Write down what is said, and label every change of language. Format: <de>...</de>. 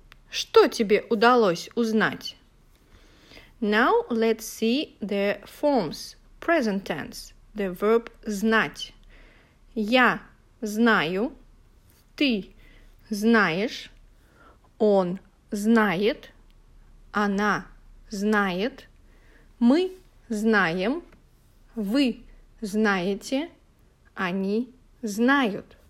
<ru>Что тебе удалось узнать?</ru> <en>Now let's see the forms, present tense, the verb знать.</en> <ru>Я знаю, ты знаешь, он знает, она знает, мы знаем, вы знаете, они знают.</ru>